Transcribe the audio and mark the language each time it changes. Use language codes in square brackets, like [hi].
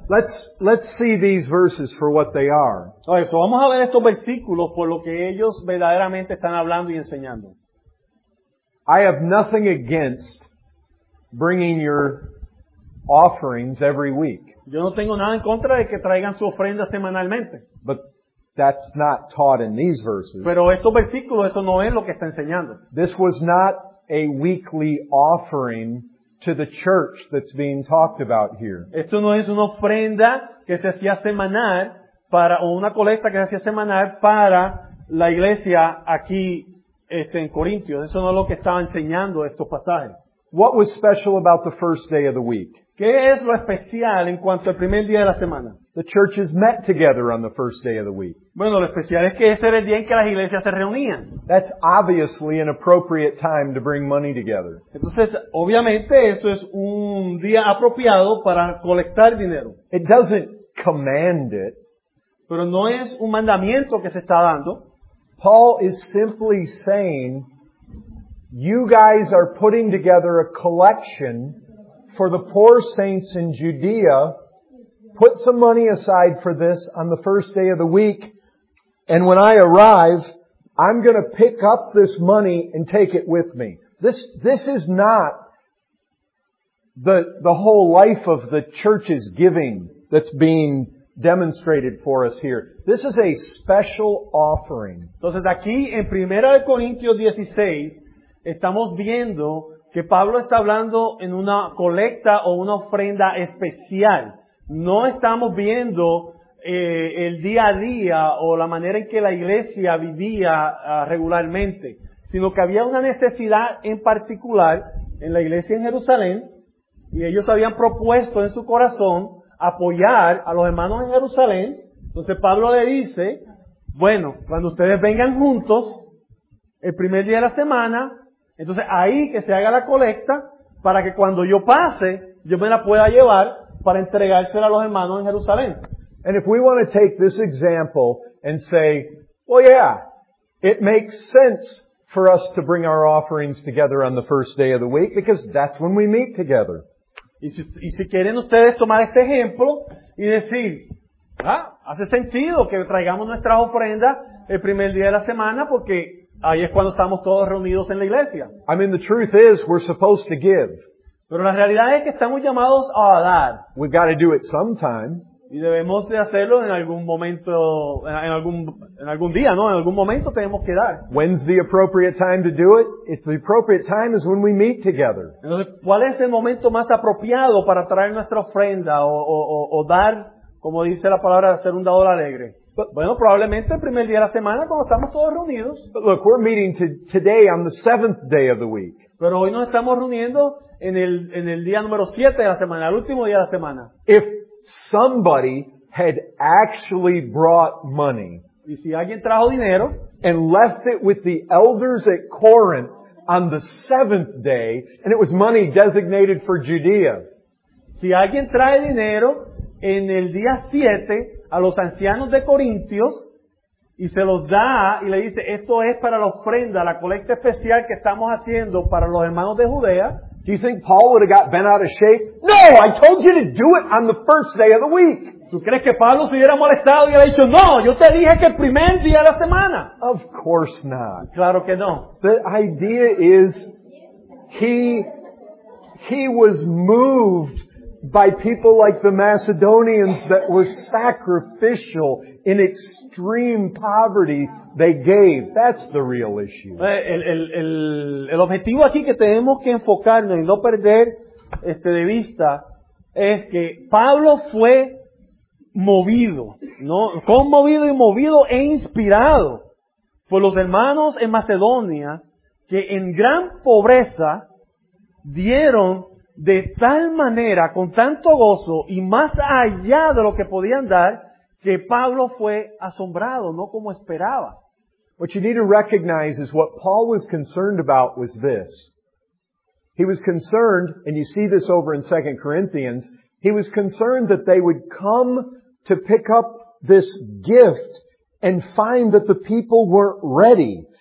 [en] Let's see these verses for what they are. All right, so [es] vamos a ver estos versículos por lo que ellos verdaderamente están hablando y enseñando. [en] I have nothing against bringing your offerings every week. [es] Yo no tengo nada en contra de que traigan su ofrenda semanalmente. [en] But that's not taught in these verses. [es] Pero estos versículos, eso no es lo que está enseñando. [en] This was not a weekly offering to the church that's being talked about here. [es] Esto no es una ofrenda que se hacía semanal para, o una colecta que se hacía semanal para la iglesia aquí en Corintios. Eso no es lo que estaba enseñando estos pasajes. [en] What was special about the first day of the week? [es] ¿Qué es lo especial en cuanto al primer día de la semana? [en] The churches met together on the first day of the week. [es] Bueno, lo especial es que ese era el día en que las iglesias se reunían. [en] That's obviously an appropriate time to bring money together. [es] Entonces, obviamente, eso es un día apropiado para colectar dinero. [en] It doesn't command it. [es] Pero no es un mandamiento que se está dando. [en] Paul is simply saying, you guys are putting together a collection for the poor saints in Judea. Put some money aside for this on the first day of the week. And when I arrive, I'm going to pick up this money and take it with me. This is not the whole life of the church's giving that's being demonstrated for us here. This is a special offering. [es] Entonces aquí en 1 Corintios 16 estamos viendo que Pablo está hablando en una colecta o una ofrenda especial. No estamos viendo el día a día o la manera en que la iglesia vivía regularmente, sino que había una necesidad en particular en la iglesia en Jerusalén y ellos habían propuesto en su corazón apoyar a los hermanos en Jerusalén. Entonces Pablo le dice, bueno, cuando ustedes vengan juntos el primer día de la semana, entonces ahí que se haga la colecta para que cuando yo pase yo me la pueda llevar para entregársela a los hermanos en Jerusalén. [en] And if we want to take this example and say, well, yeah, it makes sense for us to bring our offerings together on the first day of the week because that's when we meet together. [es] Y si quieren ustedes tomar este ejemplo y decir, ah, hace sentido que traigamos nuestras ofrendas el primer día de la semana porque ahí es cuando estamos todos reunidos en la iglesia. [en] I mean, the truth is, we're supposed to give. [es] Pero la realidad es que estamos llamados a dar. [en] We've got to do it sometime. [es] Y debemos de hacerlo en algún momento, en algún día, ¿no? En algún momento tenemos que dar. [en] When's the appropriate time to do it? It's the appropriate time is when we meet together. [es] Entonces, ¿cuál es el momento más apropiado para traer nuestra ofrenda o dar, como dice la palabra, hacer un dador alegre? Bueno, probablemente el primer día de la semana cuando estamos todos reunidos. [en] But look, we're meeting today on the seventh day of the week. [es] Pero hoy nos estamos reuniendo en el día número 7 de la semana, el último día de la semana. [en] If somebody had actually brought money, [es] y si alguien trajo dinero, [en] and left it with the elders at Corinth on the seventh day, and it was money designated for Judea. [es] Si alguien trae dinero en el día 7 a los ancianos de Corintios, y se los da y le dice, esto es para la ofrenda, la colecta especial que estamos haciendo para los hermanos de Judea. [en] Do you think Paul would have got bent out of shape? No, I told you to do it on the first day of the week. [es] ¿Tú crees que Pablo se hubiera molestado y le hubiera dicho, no, yo te dije que el primer día de la semana? [en] Of course not. [es] Claro que no. [en] The idea is, he was moved by people like the Macedonians that were sacrificial in extreme poverty they gave. That's the real issue. [es] El objetivo aquí que tenemos que enfocarnos y no perder de vista es que Pablo fue movido, ¿no? Conmovido y movido e inspirado por los hermanos en Macedonia que en gran pobreza dieron de tal manera, con tanto gozo y más allá de lo que podían dar, que Pablo fue asombrado, no como esperaba. [en] What you need to recognize is what Paul was concerned about was this. He was concerned, and you see this over in 2 Corinthians, he was concerned that they would come to pick up this gift and find that the people weren't ready.